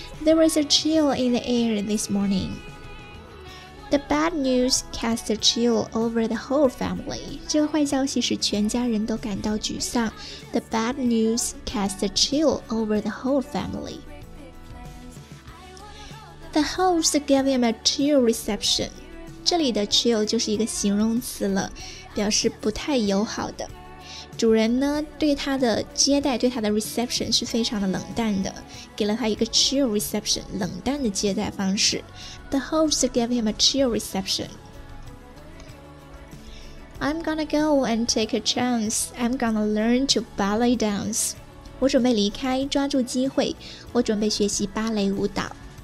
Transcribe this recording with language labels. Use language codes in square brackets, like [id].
[en] There was a chill in the air this morning. The bad news cast a chill over the whole family. [zh] 这个坏消息使全家人都感到沮丧。 [en] The bad news cast a chill over the whole family. The host gave him a chill reception. [zh] 这里的 chill 就是一个形容词了，表示不太友好的。主人呢对他的接待，对他的 reception 是非常的冷淡的，给了他一个 chill reception, 冷淡的接待方式。 [en] The host gave him a chill reception. I'm gonna go and take a chance, I'm gonna learn to ballet dance. [zh] 我准备离开，抓住机会，我准备学习芭蕾舞蹈。